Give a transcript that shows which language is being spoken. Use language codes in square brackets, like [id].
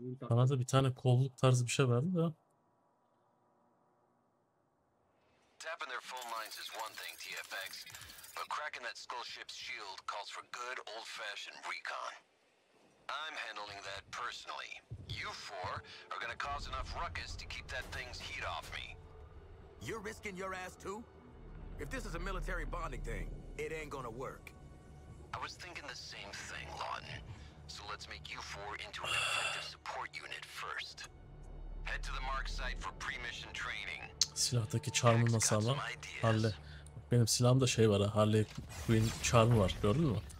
[tr] Bana da bir tane kolluk tarzı bir şey verdi de. [en] Tapping their phone lines is one thing, TFX. But cracking that skull ship's shield calls for good old-fashioned recon. I'm handling that personally. You four are gonna cause enough ruckus to keep that thing's heat off me. You're risking your ass too? If this is a military bonding thing, it ain't gonna work. I was thinking the same thing, Lawton. So let's make you four into an effective support unit first. Head to the mark site for pre-mission training. [tr] Silahtaki çarmı nasıl ama? Halle. Benim silahımda şey var ha, Harley Quinn çarmı var, gördün mü?